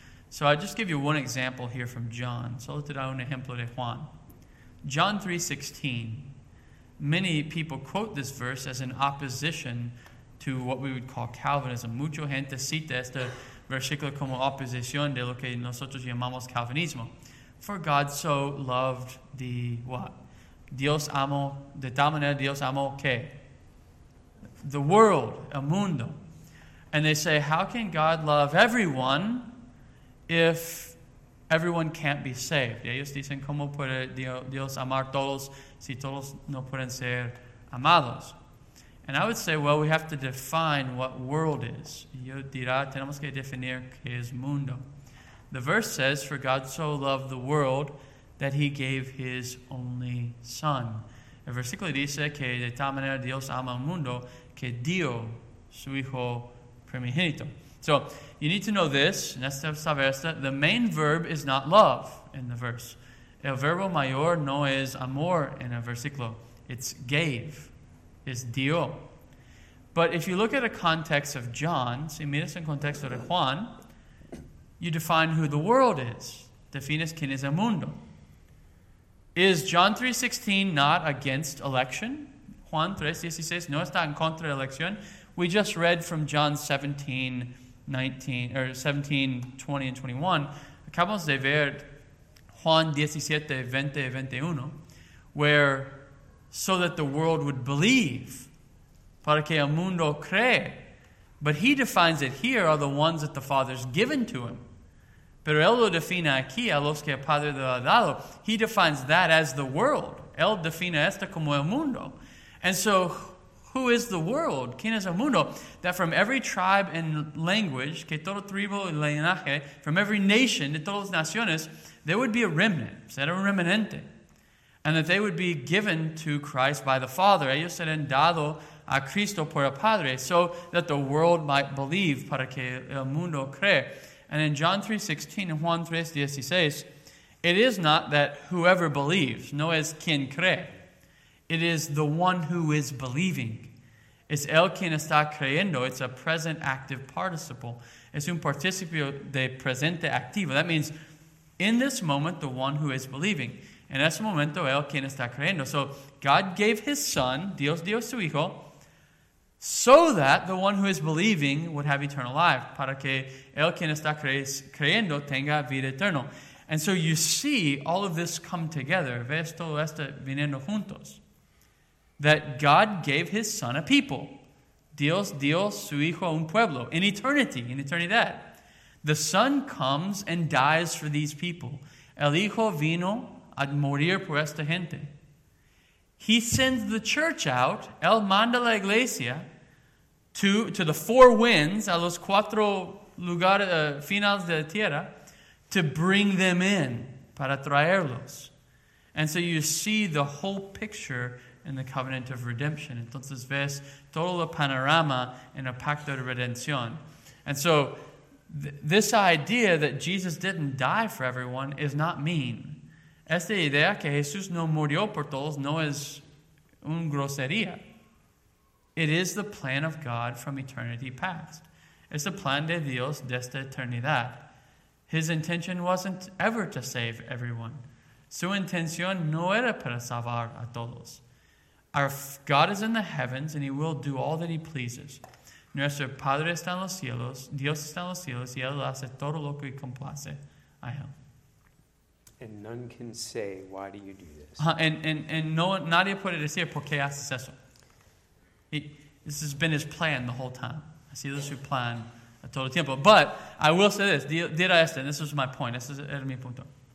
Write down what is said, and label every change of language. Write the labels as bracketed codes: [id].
[en] So I'll just give you one example here from John. [es] Solo te da un ejemplo de Juan. [en] John 3:16. Many people quote this verse as an opposition to what we would call Calvinism. [es] Mucho gente cita este versículo como oposición de lo que nosotros llamamos Calvinismo. [en] For God so loved the what? [es] Dios amó, de tal manera Dios amó, ¿qué? [en] The world, [es] el mundo. [en] And they say, how can God love everyone if everyone can't be saved? [es] Y ellos dicen, ¿cómo puede Dios amar todos si todos no pueden ser amados? [en] And I would say, well, we have to define what world is. [es] Yo dirá, tenemos que definir qué es mundo. [en] The verse says, for God so loved the world, that he gave his only son. [es] El versículo dice que de tal manera Dios ama al mundo que dio su hijo primogénito. [en] So, you need to know this. The main verb is not love in the verse. [es] El verbo mayor no es amor en el versículo. [en] It's gave. It's dio. But if you look at a context of John, [es] si miras en contexto de Juan, [en] you define who the world is. Defines [es] quién es el mundo. [en] Is John 3:16 not against election? [es] Juan 3:16 no está en contra de elección. [en] We just read from John 17:20 and 21. [es] Acabamos de ver Juan 17:20-21, [en] where so that the world would believe, [es] para que el mundo cree. [en] But he defines it here are the ones that the Father's given to him. [es] Pero él lo define aquí a los que el Padre lo ha dado. [en] He defines that as the world. [es] Él define esto como el mundo. [en] And so, who is the world? [es] ¿Quién es el mundo? [en] That from every tribe and language, [es] que todo tribu y linaje, [en] from every nation, [es] de todas las naciones, [en] there would be a remnant, [es] ser un remanente. [en] And that they would be given to Christ by the Father. [es] Ellos serán dado a Cristo por el Padre. [en] So that the world might believe, [es] para que el mundo cree. [en] And in John 3:16 and Juan 3:16, it is not that whoever believes, [es] no es quien cree. [en] It is the one who is believing. [es] Es el quien está creyendo. [en] It's a present active participle. [es] Es un participio de presente activo. [en] That means in this moment, the one who is believing. [es] En ese momento él quien está creyendo. [en] So God gave his son, [es] Dios dio su hijo, [en] so that the one who is believing would have eternal life, [es] para que él quien está creyendo tenga vida eterna. [en] And so you see all of this come together, [es] ves todo esto viniendo juntos, [en] that God gave his son a people, [es] Dios dio su hijo un pueblo, [en] in eternity, in eternidad. The son comes and dies for these people. [es] El hijo vino a morir por esta gente. [en] He sends the church out, [es] él manda la iglesia, [en] to the four winds, [es] a los cuatro lugares, finales de la tierra, [en] to bring them in, [es] para traerlos. [en] And so you see the whole picture in the covenant of redemption. [es] Entonces ves todo el panorama en el pacto de redención. [en] And so this idea that Jesus didn't die for everyone is not mean. [es] Esta idea que Jesús no murió por todos no es una grosería. [en] It is the plan of God from eternity past. [es] Es el plan de Dios desde eternidad. [en] His intention wasn't ever to save everyone. [es] Su intención no era para salvar a todos. [en] Our God is in the heavens and he will do all that he pleases. [es] Nuestro Padre está en los cielos, Dios está en los cielos y él hace todo lo que complace a él. [en] And none can say, why do you do this? [es] Nadie puede decir, ¿por qué haces eso? [en] This has been his plan the whole time. [es] Ha sido su plan a todo tiempo. [en] But I will say this. [es] Dirá esto. [en] This is my point. [es] This is mi punto.